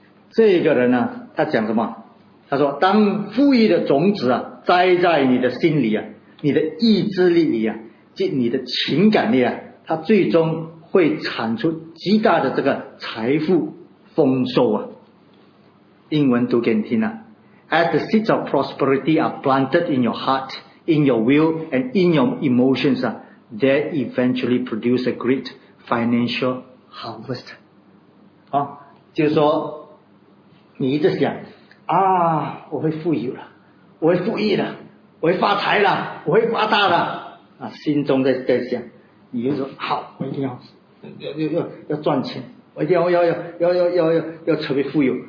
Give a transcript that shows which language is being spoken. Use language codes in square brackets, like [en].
[zh] 这个人呢他讲什么，他说当富裕的种子啊栽在你的心里啊，你的意志力里啊，即你的情感力啊，它最终会产出极大的这个财富丰收啊。英文读给你听啊， [en] As the seeds of prosperity are planted in your heart, in your will, and in your emotions, they eventually produce a great financial harvest. [zh] 啊，就是说你一直想啊，我会富有了，我会富裕了，我会发财了，我会发大了啊，心中在想，你就说好，我一定要赚钱，我一定要成为富有。